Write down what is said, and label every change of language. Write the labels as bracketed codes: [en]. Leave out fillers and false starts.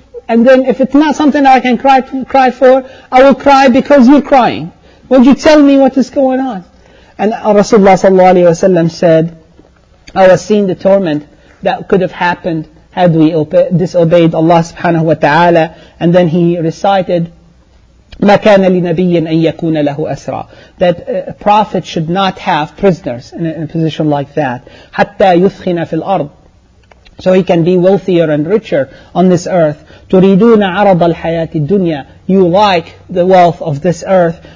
[en] And then if it's not something that I can cry for, I will cry because you're crying. Would you tell me what is going on? And Rasulullah sallallahu alayhi wa sallam said, I was seeing the torment that could have happened had we disobeyed Allah subhanahu wa ta'ala. And then he recited, [ar] مَا كَانَ لِنَبِيٍّ أَن يَكُونَ لَهُ أَسْرَى. [en] That a prophet should not have prisoners in a position like that. [ar] حَتَّى يُثْخِنَ فِي الْأَرْضِ. [en] So he can be wealthier and richer on this earth. [ar] تُرِيدُونَ عَرَضَ الْحَيَاةِ الدُّنْيَا. [en] You like the wealth of this earth.